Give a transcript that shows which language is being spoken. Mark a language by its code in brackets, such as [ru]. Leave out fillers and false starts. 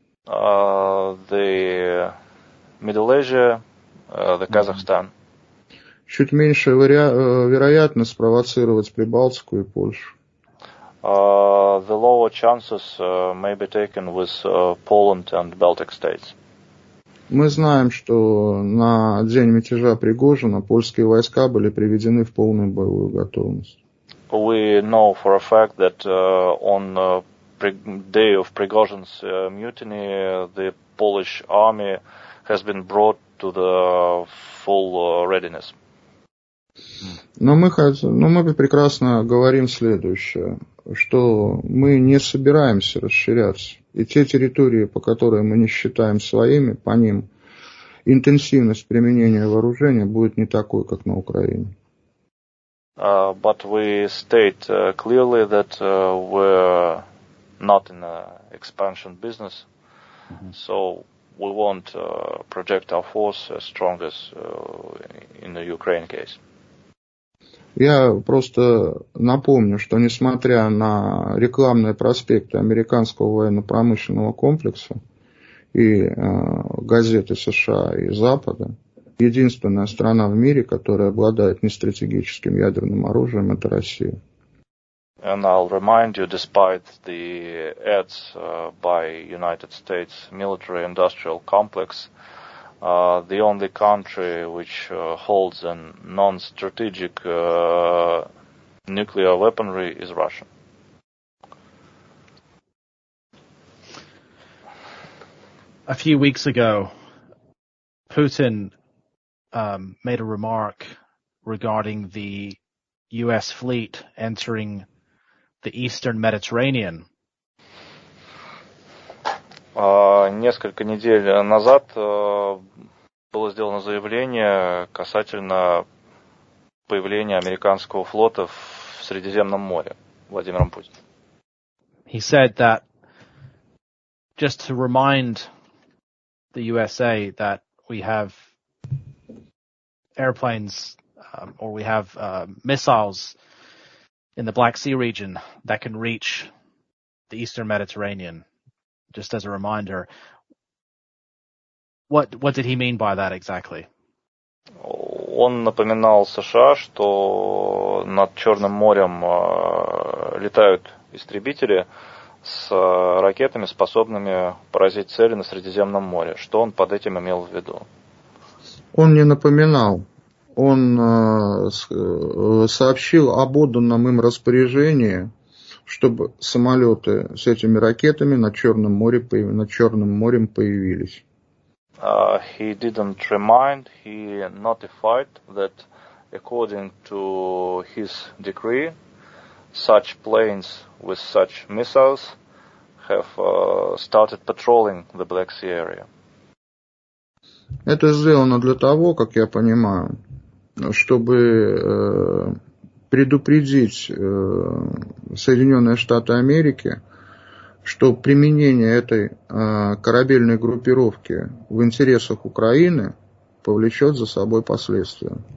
[en] The Middle Asia, the Kazakhstan. [ru] Чуть меньше вероятность спровоцировать Прибалтику и Польшу. [en] The lower chances may be taken with Poland and Baltic states. [ru] Мы знаем, что на день мятежа Пригожина польские войска были приведены в полную боевую готовность. [en] We know for a fact that on day of Prigozhin's mutiny, the Polish army has been brought to the full readiness. [ru] Но мы прекрасно говорим следующее, что мы не собираемся расширяться. И те территории, по которым мы не считаем своими, по ним интенсивность применения вооружения будет не такой, как на Украине. [en] But we state clearly that we're not in an expansion business, so we won't project our force as strong as in the Ukraine case. [ru] Я просто напомню, что несмотря на рекламные проспекты американского военно-промышленного комплекса и газеты США и Запада, единственная страна в мире, которая обладает нестратегическим ядерным оружием, это Россия. [en] And I'll remind you, despite the ads by United States military-industrial complex, the only country which holds a non-strategic nuclear weaponry is Russia. A few weeks ago, Putin made a remark regarding the U.S. fleet entering the Eastern Mediterranean. [ru] Несколько недель назад было сделано заявление касательно появления американского флота в Средиземном море Владимиром Путиным. [en] He said that, just to remind the USA that we have airplanes or we have missiles in the Black Sea region that can reach the Eastern Mediterranean. Just as a reminder, what did he mean by that exactly? [ru] Он напоминал США, что над Черным морем летают истребители с ракетами, способными поразить цели на Средиземном море. Что он под этим имел в виду? Он не напоминал. Он сообщил об отданном им распоряжении, чтобы самолеты с этими ракетами над Черным морем появились. [en] He didn't remind, he notified that according to his decree, such planes with such missiles have started patrolling the Black Sea area. [ru] Это сделано для того, как я понимаю, чтобы предупредить Соединенные Штаты Америки, что применение этой корабельной группировки в интересах Украины повлечет за собой последствия.